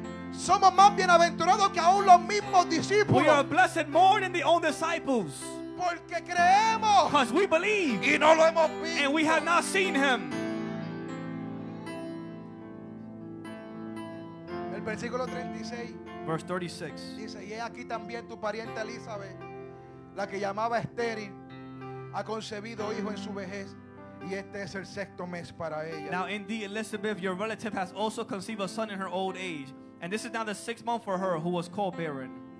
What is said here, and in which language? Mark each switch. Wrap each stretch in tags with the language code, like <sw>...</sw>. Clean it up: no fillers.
<es>Somos más bienaventurados que aún los mismos discípulos.</es> <en>We are blessed more than the own disciples,</en> <es>porque creemos,</es> <en>because we believe,</en> <es>y no lo hemos visto,</es> <en>and we have not seen him.</en> <es>El versículo 36.</es> <en>Verse 36.</en> <es>Dice, y he aquí también tu pariente Elizabeth, la que llamaba estéril, ha concebido hijo en su vejez. Y este es el sexto mes para ella.</es> <en>Now indeed, Elizabeth, your relative, has also conceived a son in her old age. And this is now the sixth month for her who was called barren.</en>